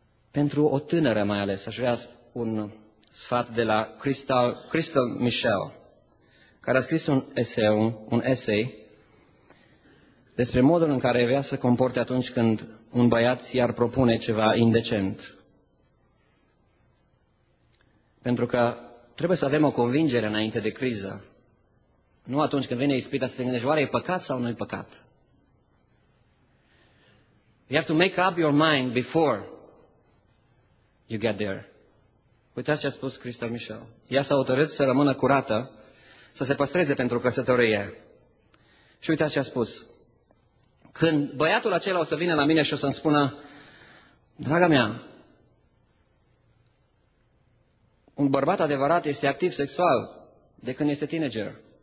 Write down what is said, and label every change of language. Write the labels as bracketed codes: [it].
[ro] Pentru o tânără mai ales, aș vrea un sfat de la Crystal Michelle, care a scris un esei, despre modul în care vrea să comporte atunci când un băiat i-ar propune ceva indecent. Pentru că trebuie să avem o convingere înainte de criză. Nu atunci când vine ispita să te gândești, oare e păcat sau nu e păcat? [en] You have to make up your mind before you get there. [ro] Uitați ce a spus Crystal Michelle. Ea s-a hotărât să rămână curată, să se păstreze pentru căsătorie. Și uitați ce a spus. Când băiatul acela o să vină la mine și o să-mi spună, draga mea, un bărbat adevărat este activ sexual de când este teenager.